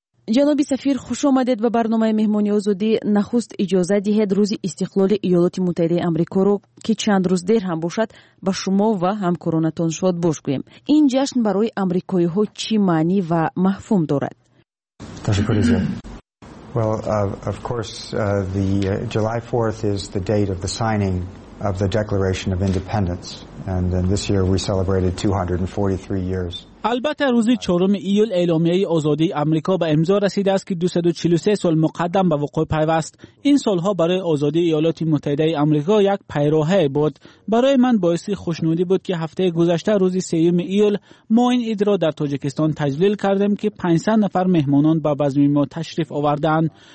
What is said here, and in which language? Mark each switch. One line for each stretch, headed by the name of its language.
Persian: جناب سفیر، خوش آمدید به برنامه مهمانی آزادی. نخست اجازه دهید روز استقلال ایالات متحده آمریکا رو که چند روز دیر هم باشد با شما و همکارانتان شاد باش گویم. این جشن برای آمریکایی ها چی معنی و مفهوم دارد؟ تشکر از شما.
English: Well, of course, the July 4th is the date of the signing of the Declaration of Independence, and then this year we celebrated 243 years.
Persian: البته روز 4 ایول اعلامیه آزادی آمریکا به امضا رسیده است که 243 سال مقدم به وقوع پیوست. این سالها برای آزادی ایالات متحده آمریکا یک پیروهه بود. برای من باعث خوشنودی بود که هفته گذشته روز 3 ایول ما این عید را در تاجیکستان تجلیل کردیم که 500 نفر مهمانان به بزم ما تشریف آوردند.